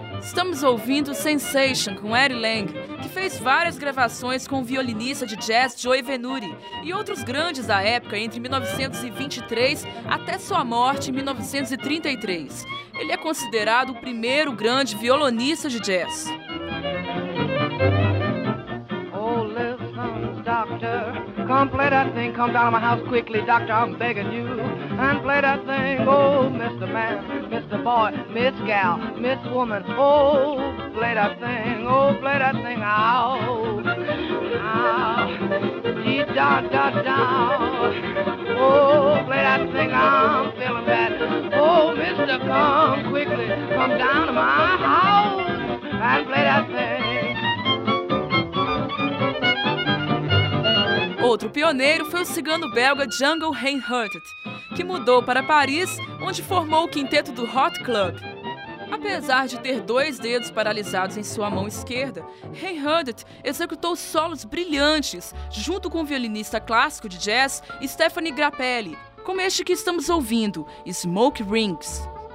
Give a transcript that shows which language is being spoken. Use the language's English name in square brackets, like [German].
[Portuguese] Estamos ouvindo Sensation, com Eric Lang, que fez várias gravações com o violinista de jazz Joe Venuti e outros grandes da época entre 1923 até sua morte em 1933. Ele é considerado o primeiro grande violinista de jazz. [English] Oh, listen, doctor, come play that thing, come down to my house quickly, doctor, I'm begging you, and play that thing, oh, Mr. Man. Mr. Boy, Miss Gal, Miss Woman, oh, play that thing, oh, play that thing, ow, ow, dee da da da, oh, play that thing, I'm feeling bad, oh, mister, come quickly, come down to my house and play that thing. [Portuguese] Outro pioneiro foi o cigano belga Django Reinhardt, que mudou para Paris, onde formou o quinteto do Hot Club. Apesar de ter 2 dedos paralisados em sua mão esquerda, Reinhardt executou solos brilhantes junto com o violinista clássico de jazz Stephanie Grappelli, como este que estamos ouvindo, Smoke Rings.